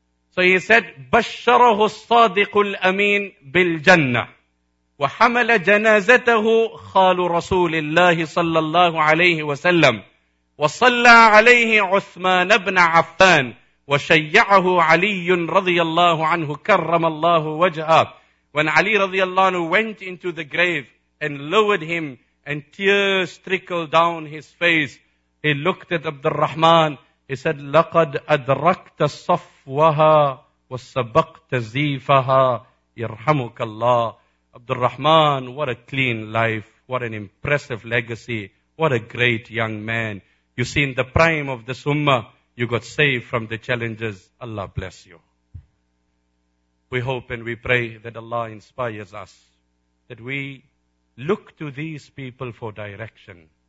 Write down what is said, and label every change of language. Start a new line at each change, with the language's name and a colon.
English: So he said,
Arabic: بَشَّرَهُ الصَّادِقُ الْأَمِينَ بِالْجَنَّةِ وَحَمَلَ جَنَازَتَهُ خَالُ رَسُولِ اللَّهِ صَلَّى اللَّهُ عَلَيْهِ وَسَلَّمْ وَصَلَّى عَلَيْهِ عُثْمَانَ ابْنَ عَفَّانَ وَشَيَّعَهُ عَلِيٌّ رَضِيَ اللَّهُ عَنْهُ كَرَّمَ اللَّهُ وَجْهَهُ.
English: When Ali رضي الله عنه went into the grave and lowered him and tears trickled down his face, he looked at Abdurrahman. He said,
Arabic: لَقَدْ أَدْرَكْتَ صَفْوَهَا وَسَبَقْتَ زِيفَهَا يَرْحَمُكَ اللَّهُ.
English: Abdurrahman, what a clean life. What an impressive legacy. What a great young man. You see, in the prime of this ummah, you got saved from the challenges. Allah bless you. We hope and we pray that Allah inspires us, that we look to these people for direction.